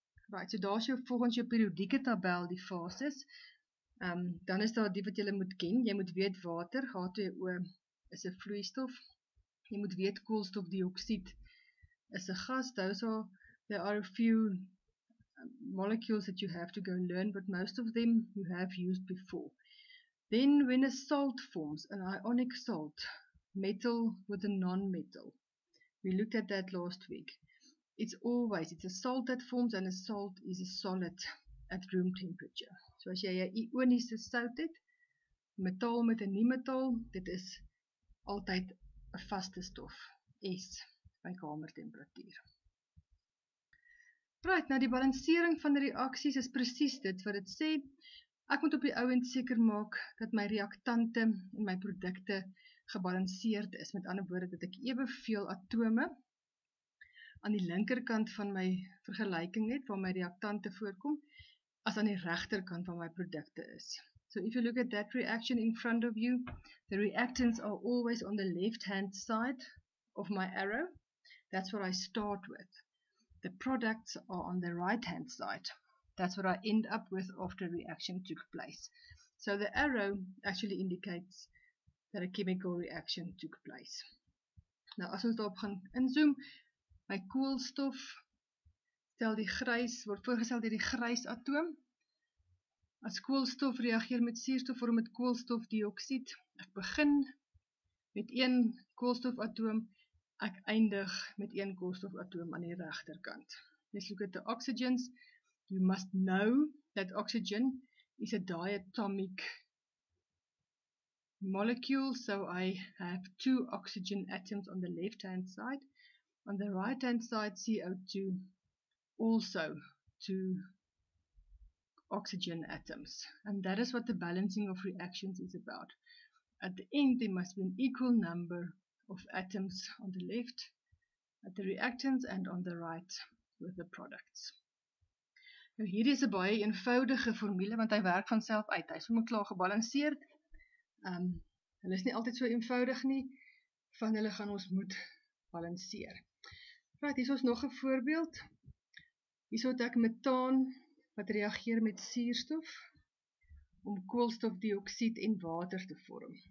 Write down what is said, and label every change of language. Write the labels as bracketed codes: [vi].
[af] Right, so daar is jou volgens jou periodieke tabel die fases. Dan is daar die wat jylle moet ken, jy moet weet water, H2O is 'n vloeistof, jy moet weet koolstofdioksied is 'n gas, [en] there are a few molecules that you have to go learn, but most of them you have used before. Then when a salt forms, an ionic salt, metal with a non-metal, we looked at that last week, it's a salt that forms and a salt is a solid at room temperature. [af] So as jy 'n ioniese sout het, metaal met 'n nie-metaal, dit is altyd 'n vaste stof S by kamertemperatuur. Right, nou die balansering van die reaksies is presies dit wat dit sê. Ek moet op die ouend seker maak dat my reaktante en my produkte gebalanseerd is. Met ander woorde, dat ek eweveel atome aan die linkerkant van my vergelyking het waar my reaktante voorkom as aan die regterkant van my produkte is. [en] So if you look at that reaction in front of you, the reactants are always on the left-hand side of my arrow. That's what I start with. The products are on the right-hand side. That's what I end up with after reaction took place. So the arrow actually indicates that a chemical reaction took place. [af] Nou as ons daarop gaan inzoom, my koolstof, stel die grys, word voorgestel deur die grys atoom. As koolstof reageer met suurstof, vorm het koolstofdioksied. Ek begin met een koolstofatoom, ek eindig met een koolstofatoom aan die rechterkant. [en] Let's look at the oxygens. You must know that oxygen is a diatomic molecule, so I have two oxygen atoms on the left-hand side. On the right-hand side, CO2, also two oxygen atoms. And that is what the balancing of reactions is about. At the end, there must be an equal number of atoms on the left, at the reactants, and on the right, with the products. [af] Nou hierdie is 'n baie eenvoudige formule, want hy werk van self uit, hy is sommer klaar gebalanseerd. Hulle is nie altyd so eenvoudig nie, van hulle gaan ons moet balanseer. Right, hier is ons nog 'n voorbeeld. Hier het ek metaan, wat reageer met suurstof, om koolstofdioksied en water te vorm.